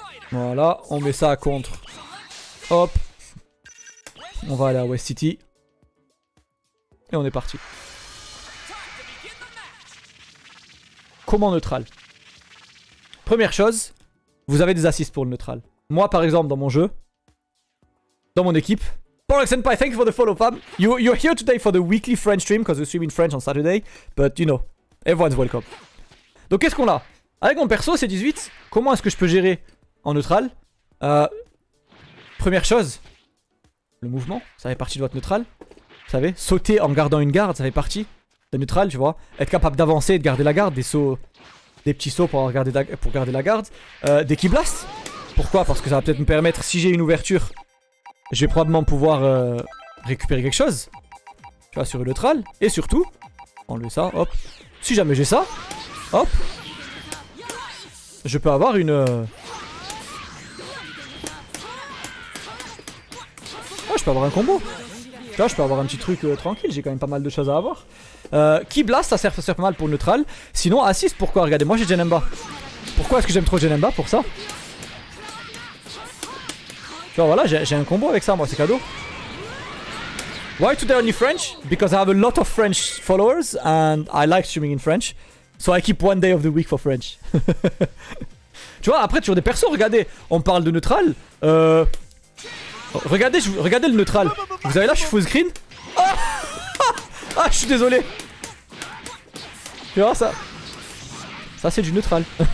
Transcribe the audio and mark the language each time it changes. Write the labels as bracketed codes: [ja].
[fr] Voilà, on met ça à contre. Hop. On va aller à West City. Et on est parti. Comment neutral? Première chose, vous avez des assists pour le neutral. Moi, par exemple, dans mon jeu, dans mon équipe, Porex Senpai, [en] thank you for the follow, fam. You're here today for the weekly French stream, because we stream in French on Saturday, but you know, everyone's welcome. [fr] Donc, qu'est-ce qu'on a? Avec mon perso, c'est 18. Comment est-ce que je peux gérer en neutral? Première chose, le mouvement, ça fait partie de votre neutral. Vous savez, sauter en gardant une garde, ça fait partie de neutral, tu vois. Être capable d'avancer et de garder la garde, des petits sauts pour garder la garde. Des key blasts. Pourquoi? Parce que ça va peut-être me permettre, si j'ai une ouverture, je vais probablement pouvoir récupérer quelque chose. Tu vois, sur le neutral. Et surtout, enlever ça, hop. Si jamais j'ai ça, hop. Je peux avoir une... Ouais, je peux avoir un combo. Tu vois, je peux avoir un petit truc tranquille, j'ai quand même pas mal de choses à avoir. Key Blast, ça sert pas mal pour neutral. Sinon, assist, pourquoi? Regardez, moi j'ai Janemba. Pourquoi est-ce que j'aime trop Janemba pour ça? Tu vois, voilà, j'ai un combo avec ça, moi, c'est cadeau. [en] Why today only French? Because I have a lot of French followers and I like streaming in French. So I keep one day of the week for French. [fr] Tu vois, après, sur des persos, regardez, on parle de neutral. Regardez le neutral. Vous avez là, je suis full screen. Oh ah, je suis désolé. Tu vois, ça. Ça, c'est du neutral.